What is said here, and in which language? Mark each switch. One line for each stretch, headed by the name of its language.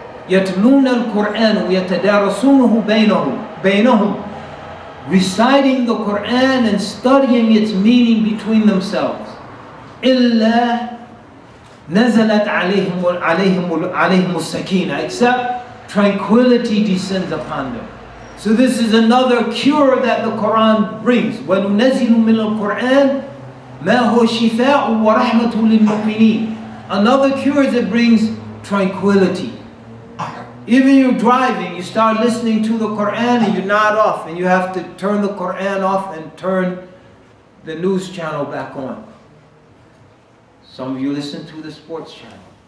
English: يتلون القرآن ويتدارسونه بينهم reciting the Quran and studying its meaning between themselves. إلا نزلت عليهم السكينة, except tranquility descends upon them. So this is another cure that the Quran brings.
Arabic: وننزل من القرآن ما هو شفاء ورحمة للمؤمنين.
English: Another cure is it brings tranquility. Even you're driving, you start listening to the Quran and you nod off and you have to turn the Quran off and turn the news channel back on. Some of you listen to the sports channel.